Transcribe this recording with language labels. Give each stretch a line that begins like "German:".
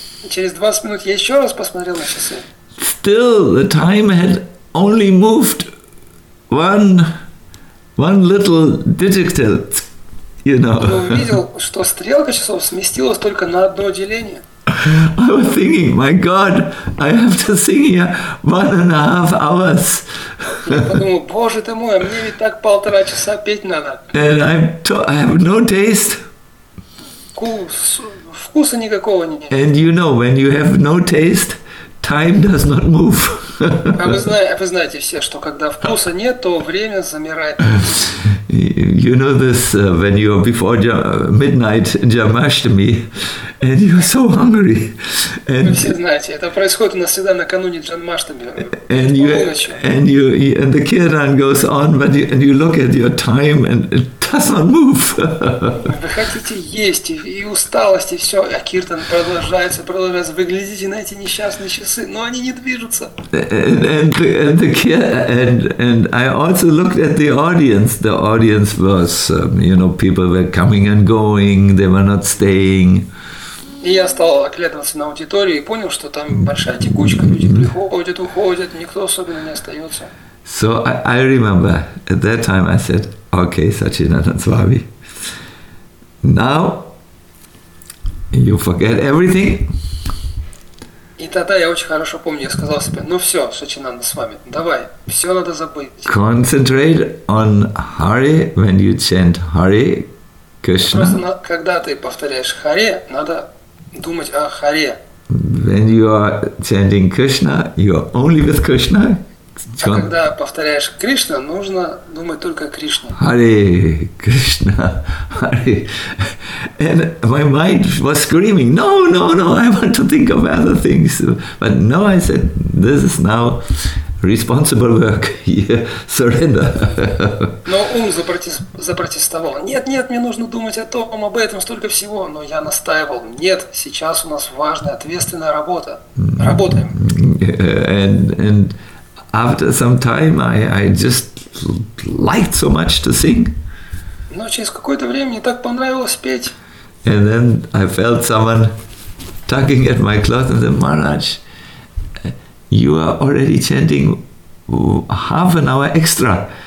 Russian: Через 20 минут я еще раз посмотрел на часы.
English: Still the time had only moved one little digital, you know.
Russian: Я увидел, что стрелка часов сместилась только на одно деление.
English: I was thinking, my God, I have to sing here 1.5 hours.
Russian: Боже ты мой, мне ведь так полтора часа петь надо.
English: And I have no taste.
Russian: Вкуса никакого нет.
English: And you know, when you have no taste, time does not move.
Russian: Вы знаете все, что когда вкуса нет, то время замирает.
English: You know this when you are before midnight Jamashtami and you are so hungry. And
Russian: вы все знаете, это происходит у нас всегда накануне Джанмаштами.
English: And the kirtan goes on, but you look at your time and it does not move.
Russian: Вы хотите есть и усталость и все, а киртан продолжается. Вы глядите на эти несчастные часы, но они не движутся.
English: And I also looked at the audience. The audience was, you know, people were coming and going. They were not staying.
Russian: И я стал оглядываться на аудиторию и понял, что там большая текучка. Люди приходят, уходят, никто особенно не остается.
English: So I remember at that time I said, okay, Sachinanda Swami, now you forget everything.
Russian: И тогда я очень хорошо помню, я сказал себе, ну все, Сачинанда Свами, давай, все надо забыть.
English: Concentrate on Hare when you chant Hare Krishna.
Russian: Просто когда ты повторяешь Hare, надо думать о Hare.
English: When you are chanting Krishna, you are only with Krishna.
Russian: Когда повторяешь Кришна, нужно думать только о Кришне.
English: Hare Krishna, Hare. And my mind was screaming, no, I want to think of other things. But no, I said, this is now responsible work. Surrender.
Russian: Но ум запротестовал. Нет, мне нужно думать о том, об этом, столько всего. Но я настаивал, нет, сейчас у нас важная, ответственная работа. Работаем.
English: And after some time, I just liked so much to sing.
Russian: Но через какое-то время мне так понравилось петь.
English: And then I felt someone tugging at my cloth and said, Maharaj, you are already chanting half an hour extra.